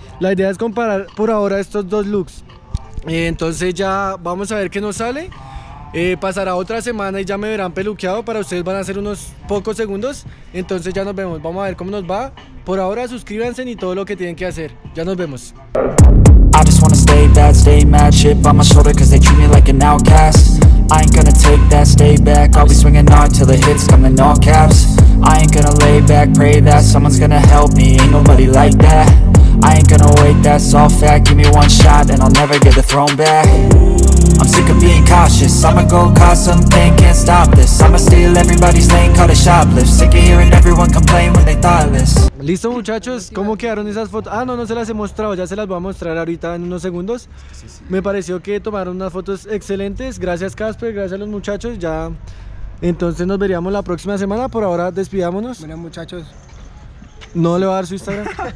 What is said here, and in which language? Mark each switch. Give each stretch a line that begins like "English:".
Spanish: La idea es comparar por ahora estos dos looks. Entonces ya vamos a ver qué nos sale. Pasará otra semana y ya me verán peluqueado. Para ustedes van a ser unos pocos segundos. Entonces ya nos vemos. Vamos a ver cómo nos va. Por ahora suscríbanse y todo lo que tienen que hacer. Ya nos vemos.
English: I just wanna stay bad, stay mad, chip on my shoulder, cause they treat me like an outcast. I ain't gonna take that, stay back, I'll be swinging hard till the hits come in all caps. I ain't gonna lay back, pray that someone's gonna help me, ain't nobody like that. I ain't gonna wait, that's all fact, give me one shot and I'll never get the throne back. I'm sick of being cautious, I'ma go cause something, can't stop this. I'ma steal everybody's lane, call it shoplift. Sick of hearing everyone complain when they thoughtless.
Spanish: Listo, muchachos, ¿cómo quedaron esas fotos? Ah, no, no se las he mostrado, ya se las voy a mostrar ahorita en unos segundos. Sí. Me pareció que tomaron unas fotos excelentes. Gracias, Casper, gracias a los muchachos. Ya, entonces nos veríamos la próxima semana. Por ahora, despidámonos. Bueno, muchachos. No le voy a dar su Instagram.